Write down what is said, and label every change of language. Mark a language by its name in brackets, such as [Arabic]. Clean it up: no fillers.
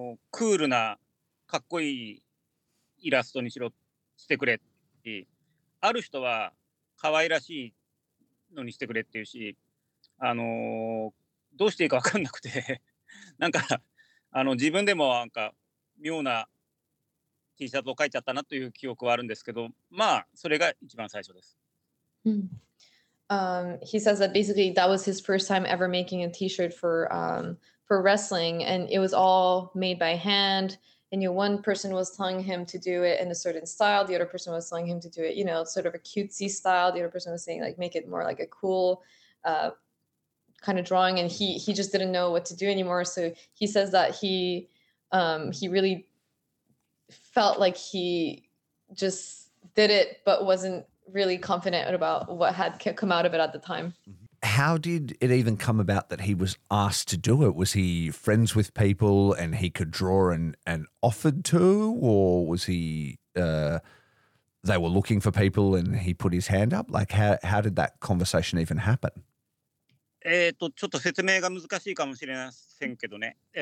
[Japanese] クールなかっこいいイラストにしろしてくれって、ある人は可愛らしいのにしてくれっていうし、どうしていいか分かんなくてなんか自分でもなんか妙なT シャツを描いちゃったなという記憶はあるんですけど、まあそれが一番最初です。 [English] He says that basically that was his first time ever making a T-shirt for wrestling, and it was all made by hand. And you know, one person was telling him to do it in a certain style, the other person was telling him to do it, you know, sort of a cutesy style. The other person was saying like make it more like a cool kind of drawing, and he just didn't know what to do anymore. So he says that he really felt like he just did it, but wasn't really confident about what had come out of it at the time. How did it even come about that he was asked to do it? Was he friends with people and he could draw and offered to, or was he, they were looking for people and he put his hand up? Like how did that conversation even happen? [Japanese] ちょっと説明が難しいかもしれませんけどね。